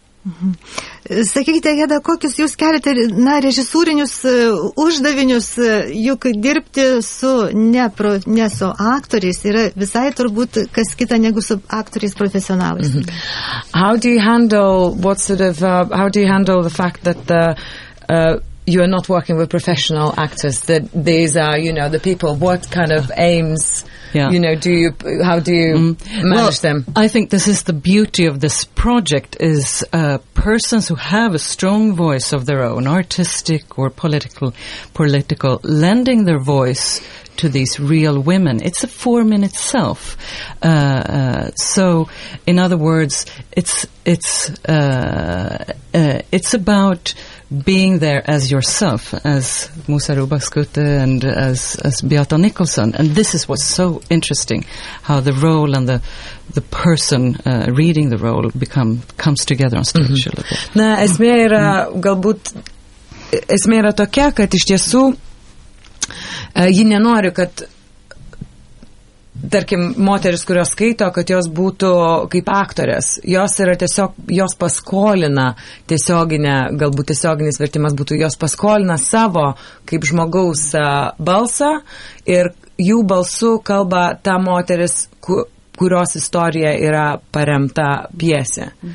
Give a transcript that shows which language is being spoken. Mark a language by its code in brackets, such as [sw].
[lt] Sakykite, Heda, kokius jūs keliate režisūrinius uždavinius, juk dirbti su su aktoriais yra visai turbūt kas kita negu su aktoriais profesionalais. [en] How do you handle how do you handle the fact that you are not working with professional actors, that these are, you know, the people, what kind of aims, you know, do you, how do you manage them? I think this is the beauty of this project, is persons who have a strong voice of their own, artistic or political, lending their voice to these real women. It's a form in itself. So, in other words, it's about being there as yourself, as Musa Rubaskutte and as Beata Nicholson. And this is what's so interesting, how the role and the person reading the role comes together on stage a little bit. [lt] Na, esmė yra, galbūt, esmė yra tokia, kad iš tiesų ji nenori, kad tarkim, moteris, kurios skaito, kad jos būtų kaip aktorės. Jos yra tiesiog, jos paskolina tiesioginę, galbūt tiesioginis vertimas būtų, jos paskolina savo kaip žmogaus balsą ir jų balsu kalba ta moteris, kurios istorija yra paremta pjesė.